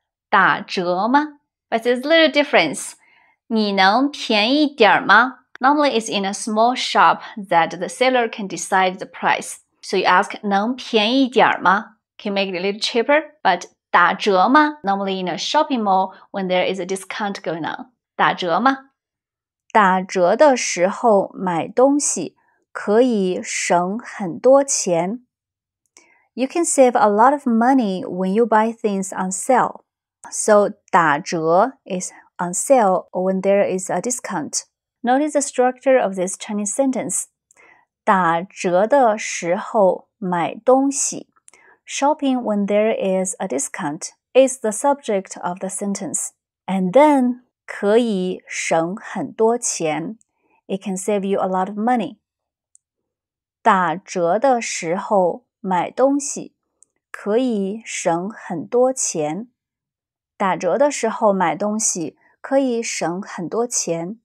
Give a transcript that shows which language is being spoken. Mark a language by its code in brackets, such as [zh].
[en] 打折吗?But there's a little difference. [zh] 你能便宜点吗? [en] Normally, it's in a small shop that the seller can decide the price. So you ask [zh] 能便宜点吗? [en] Can make it a little cheaper, but打折吗? Normally in a shopping mall when there is a discount going on. [zh] 打折吗? 打折的时候买东西可以省很多钱。 [en] You can save a lot of money when you buy things on sale. So 打折 is on sale when there is a discount. Notice the structure of this Chinese sentence. [zh] 打折的时候买东西。 [en] Shopping when there is a discount is the subject of the sentence. And then, [zh] 可以省很多钱。 [en] It can save you a lot of money. [zh] 打折的时候买东西可以省很多钱。打折的时候买东西可以省很多钱。